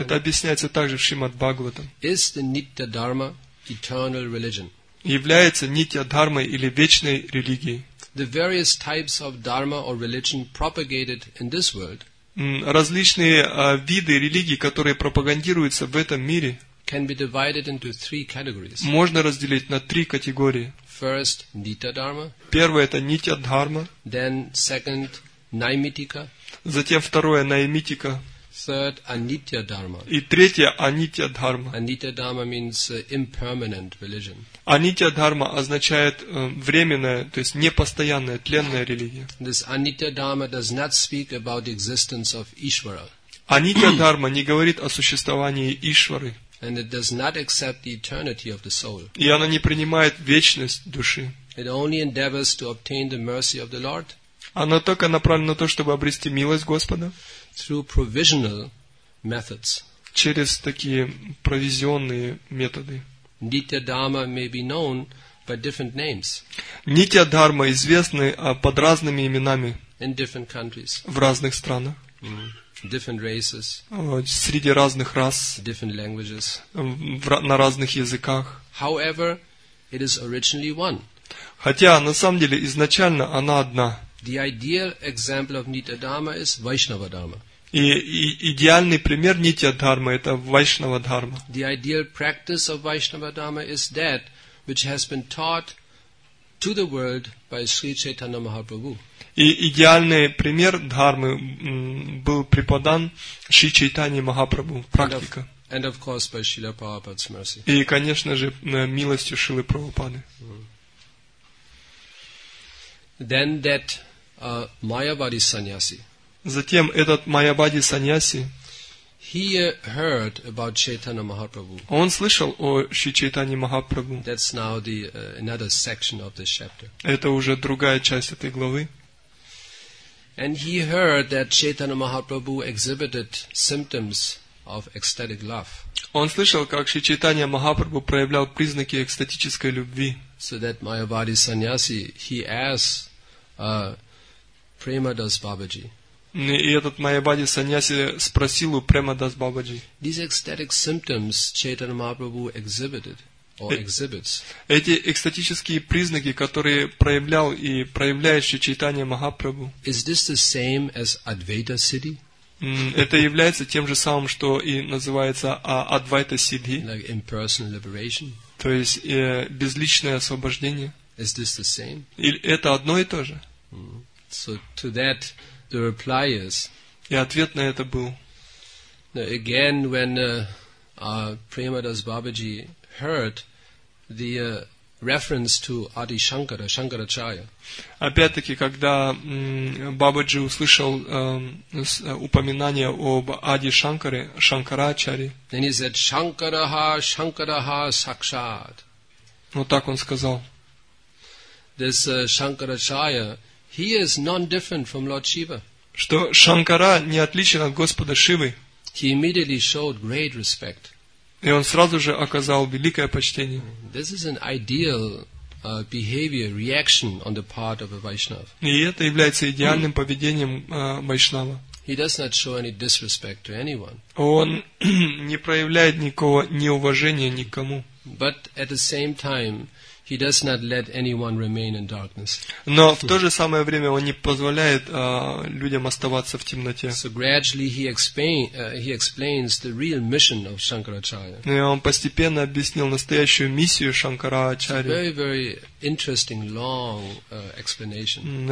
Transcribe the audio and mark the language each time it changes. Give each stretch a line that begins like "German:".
Russian: Это объясняется также в Шримад Бхагаватам.
English: Is the nitya dharma eternal religion?
Russian: Является нитья дхармой или вечной религией.
English: The various types of dharma or religion propagated in this world,
Russian: различные виды религий, которые пропагандируются в этом мире,
English: can be divided into three categories.
Russian: Можно разделить на три категории.
English: First, nitya dharma.
Russian: Первое это нитья дхарма.
English: Then second, наймитика.
Russian: Затем второе наймитика.
English: Third, anitya dharma.
Russian: И третье анитья дхарма.
English: Anitya dharma means impermanent religion.
Russian: Анитья дхарма означает временная, то есть непостоянная, тленная религия.
English: This anitya dharma does not speak about the existence of Ishvara.
Russian: Анитья дхарма не говорит о существовании Ишвары.
English: And it does not accept the eternity of the soul.
Russian: И она не принимает вечность души.
English: It only endeavors to obtain the mercy of the Lord.
Russian: Оно только направлено на то, чтобы обрести милость Господа.
English: Through provisional methods.
Russian: Через такие провизионные методы.
English: Nitya dharma may be known by different names.
Russian: Нитья дхарма известны под разными именами.
English: In different countries.
Russian: В разных странах.
English: Different races.
Russian: Среди разных рас.
English: Different languages.
Russian: На разных языках.
English: However, it is originally one.
Russian: Хотя на самом деле изначально она одна.
English: The ideal example of Nityadharma is Vaishnava Dharma.
Russian: И идеальный пример Нитья-дхармы – это Вайшнава Дхарма.
English: The ideal practice of Vaishnava Dharma is that which has been taught to the world by Sri Chaitanya Mahaprabhu.
Russian: И идеальный пример дхармы был преподан Шри Чайтанья Махапрабху, практика.
English: And of course by Śrīla Prabhupāda's mercy.
Russian: И, конечно же, милостью Шрилы Прабхупады.
English: Then that Mayavadi sannyasi.
Russian: Затем этот Майявади саньяси.
English: He heard about Chaitanya Mahaprabhu.
Russian: Он слышал о Шри Чайтанье Махапрабху.
English: That's now the another section of this chapter.
Russian: Это уже другая часть этой главы.
English: And he heard that Chaitanya Mahaprabhu exhibited symptoms of ecstatic love.
Russian: Он слышал, как Шри Чайтанья Махапрабху проявлял признаки экстатической любви.
English: So that Mayavadi sannyasi, he asked Premadas Babaji.
Russian: И этот Майябади саньяси спросил у Премадас Бабаджи.
English: These ecstatic symptoms Chaitanya Mahaprabhu exhibited or exhibits.
Russian: Эти экстатические признаки, которые проявлял и проявляющий Чайтанья Махапрабху.
English: Is this the same as Advaita Siddhi?
Russian: Это является тем же самым, что и называется Advaita Siddhi.
English: Like impersonal liberation.
Russian: То есть безличное освобождение.
English: Is this the same?
Russian: Или это одно и то же?
English: So to that. The reply is.
Russian: И ответ на это был.
English: Again, when Premadas Babaji heard the reference to Adi Shankara, Shankaracharya.
Russian: Опять-таки, когда Бабаджи услышал упоминание об Ади Шанкаре, Шанкарачаре.
English: Then he said,
Sanskrit: Shankaraha, Shankaraha, Sakshat.
Russian: Вот так он сказал.
English: This Shankaracharya, he is non-different from Lord Shiva.
Russian: Что Шанкара не отличен от Господа Шивы.
English: He immediately showed great respect.
Russian: И он сразу же оказал великое почтение.
English: This is an ideal behavior reaction on the part of a Vaishnava.
Russian: И это является идеальным поведением Вайшнава.
English: He does not show any disrespect to anyone.
Russian: Он не проявляет никакого неуважения никому.
English: But at the same time, he does not let anyone remain in darkness.
Russian: Но в то же самое время он не позволяет людям оставаться в темноте.
English: So gradually he explains the real mission of Shankaracharya.
Russian: И он постепенно объяснил настоящую миссию Шанкарачарьи.
English: Very, very interesting long explanation.